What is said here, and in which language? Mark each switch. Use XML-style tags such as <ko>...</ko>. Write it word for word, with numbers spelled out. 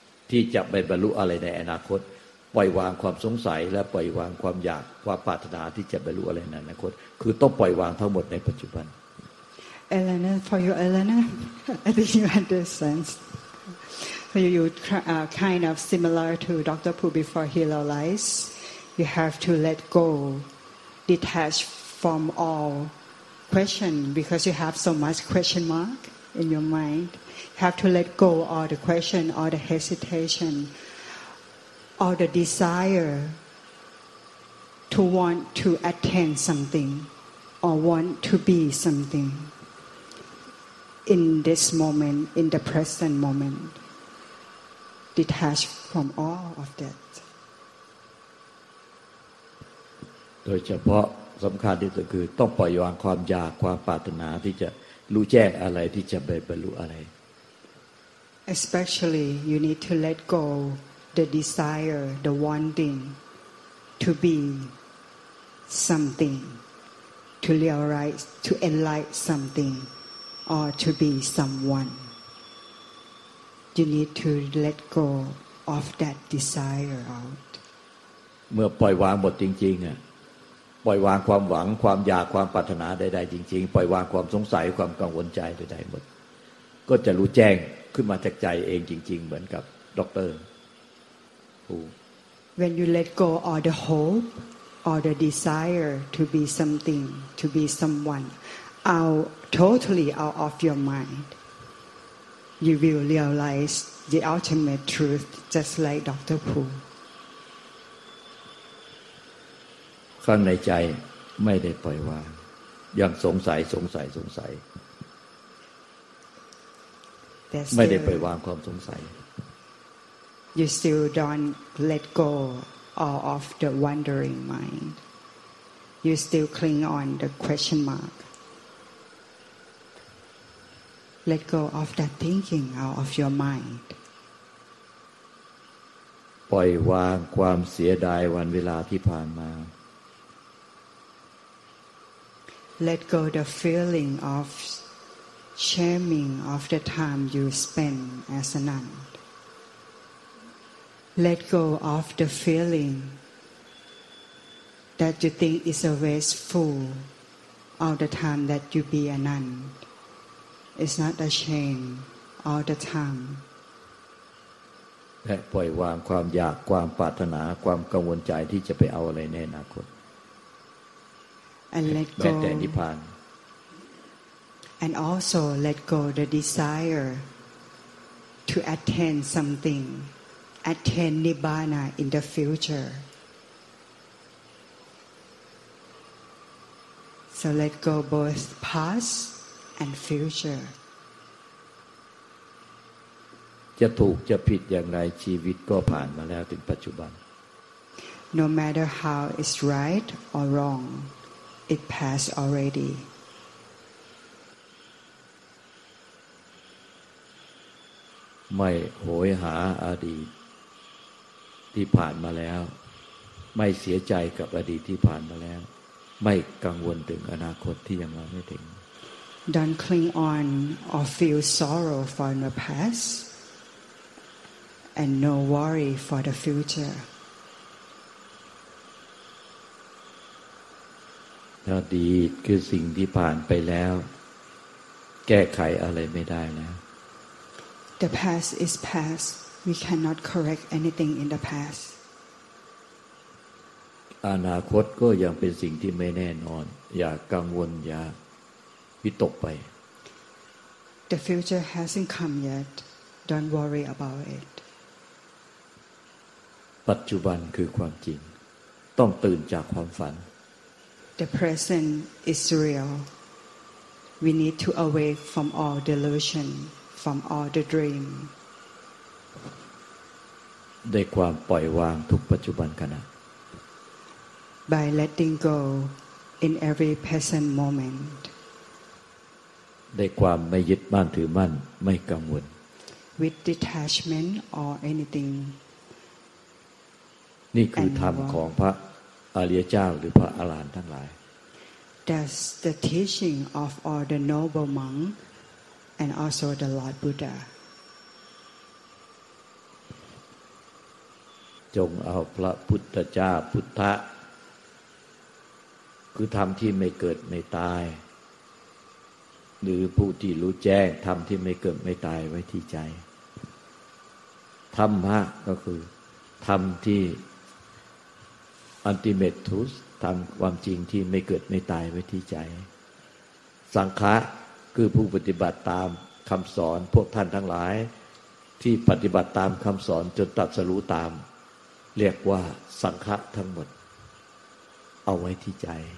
<th>ที่จะไปบรรลุอะไรในอนาคตปล่อยวางความสงสัยและปล่อยวางความอยากความปรารถนาที่จะบรรลุอะไรในอนาคตคือต้องปล่อยวางทั้งหมดในปัจจุบัน</th> <en>Elena for you Elena I think you understand so you uh, kind of similar to Doctor Poo before he realized you have to let go detach from all question because you have so much question mark in your mind you have to let go all the question all the hesitation all the desire to want to attain something or want to be something in this moment in the present moment detach from all of that</en> <th>โดยเฉพาะสำคัญที่สุดคือต้องปล่อยวางความอยากความปรารถนาที่จะรู้แจ้งอะไรที่จะไปบรรลุอะไร</th> <en>Especially you need to let go the desire the wanting to be something to realize to enlighten something or to be someone you need to let go of that desire out</en> <th>เมื่อปล่อยวางหมดจริงๆอ่ะปล่อยวางความหวังความอยากความปรารถนาใดๆจริงๆปล่อยวางความสงสัยความกังวลใจใดๆหมดก็จะรู้แจ้งขึ้นมาจากใจเองจริงๆเหมือนกับดร. Who</th> <en>When you let go all the hope all the desire to be something to be someone out totally out of your mind you will realize the ultimate truth just like Doctor Poo</en> <th>ข้างในใจไม่ได้ปล่อยวางยังสงสัยสงสัยสงสัยไม่ได้ปล่อยวางความสงสัย</th> <en>You still don't let go all of the wandering mind You still cling on the question mark Let go of that thinking out of your mind</en> <th>ปล่อยวางความเสียดายวันเวลาที่ผ่านมา</th> <en>Let go the feeling of shaming of the time you spend as a nun. Let go of the feeling that you think is a wasteful all the time that you be a nun. It's not a shame all the time.</en> <th>และปล่อยวางความอยากความปรารถนาความกังวลใจที่จะไปเอาอะไรในอนาคต</th> <en>And let go.</en> <th>Nipan.</th> <en>And also let go the desire to attain something, attain Nibbana in the future. So let go both past and future.</en> <th>จะถูกจะผิดอย่างไรชีวิตก็ผ่านมาแล้วถึงปัจจุบัน</th> <en>No matter how it's right or wrong. it passed already.</en> <th>ไม่โหยหาอดีตที่ผ่านมาแล้วไม่เสียใจกับอดีตที่ผ่านมาแล้วไม่กังวลถึงอนาคตที่ยังมาไม่ถึง</th> <en>Don't cling on or feel sorrow for the past and no worry for the future.</en> <th>อดีตคือสิ่งที่ผ่านไปแล้วแก้ไขอะไรไม่ได้แล้ว</th> <en>The past is past. We cannot correct anything in the past.</en> <th>อนาคตก็ยังเป็นสิ่งที่ไม่แน่นอนอย่ากังวลอย่าวิตกไป</th> <en>The future hasn't come yet. Don't worry about it.</en> <th>ปัจจุบันคือความจริงต้องตื่นจากความฝัน</th> <en>The present is real. We need to awake from all delusion, from all the dream.</en> <th>ด้วยความปล่อยวางทุกปัจจุบันขณะ</th> <en>By letting go in every present moment.</en> <th>ได้ความไม่ยึดมั่นถือมั่นไม่กังวล</th> <en>With detachment or anything.</en> <th>นี่คือธรรมของพระอริยเจ้าหรือพระอรหันต์ทั้งหลาย</th> <en>That's the teaching of all the noble monks and also the Lord Buddha.</en> <th>จงเอาพระพุทธเจ้าพุทธะคือธรรมที่ไม่เกิดไม่ตายหรือผู้ที่รู้แจ้งธรรมที่ไม่เกิดไม่ตายไว้ที่ใจ ธรรมะก็คือธรรมที่</th> <en>ultimate truth</en> <th>ธรรมความจริงที่ไม่เกิดไม่ตายไว้ที่ใจสังฆะคือผู้ปฏิบัติตามคำสอนพวกท่านทั้งหลายที่ปฏิบัติตามคำสอนจนตรัสรู้ตามเรียกว่าสังฆะทั้งหมดเอาไว้ที่ใจ</th>